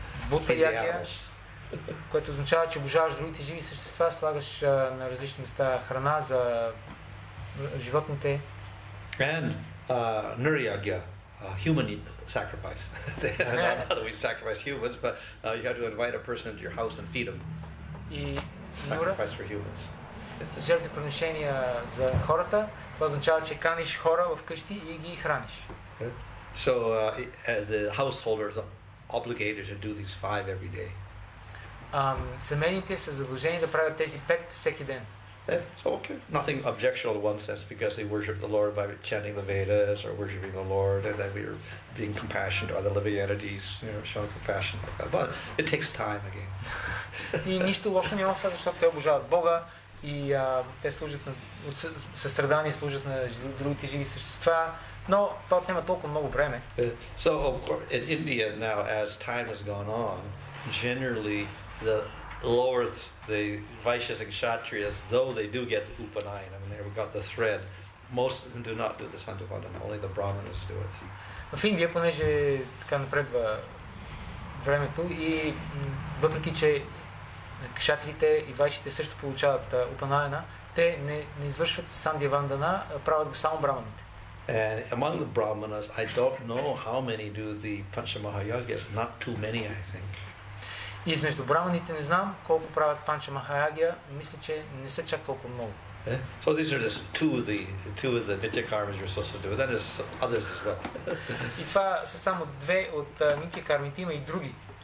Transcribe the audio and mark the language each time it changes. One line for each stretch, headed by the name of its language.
Bulgarian: Bhuta Yagya, което означава, че обожаваш другите живи същества, слагаш на различни места храна за животните.
English: And Nuryagya, human sacrifice. Not that we sacrifice humans, but you have to invite a person into your house and feed them.
Bulgarian: И
English: sacrifice for humans.
Bulgarian: Жертвоприношения за хората, това означава, че каниш хора вкъщи и ги храниш.
English: So the householder is obligated to do these five every day.
Bulgarian: Семейните са задължени да правят тези пет всеки ден.
English: It's okay. Nothing objectionable in one sense because they worship the Lord by chanting the Vedas or worshiping the Lord, and then we are being compassionate to other living entities, you know, showing compassion. But it takes time again.
Bulgarian: И нищо лошо няма в това, защото те обожават Бога и те служат на състрадание, служат на другите живи същества. Но това отнема толкова много време.
English: So of course, in India now, as time has gone on, generally the lower the Vaishyas and Kshatriyas, though they do get the Upanayana, I mean, they've got the thread, most of them do not do the Santavadana, only the Brahmanas do it.
Bulgarian: В Индия, понеже така напредва времето, и въпреки че Кшатрите и Вайшите също получават Упанайана, те не извършват Сандивандана, правят го само Брахманите.
English: And among the Brahmanas, I don't know how many do the Panchamahayagyas. Not too many, I think.
Bulgarian: Измежду Брахманите не знам колко правят Панчамахаягия. Мисля, че не са чак толкова много.
English: So these are just two of the Nityakarmas you're supposed to do. Then there's others as well.
Bulgarian: И това са само две от Нитякармите, има и други.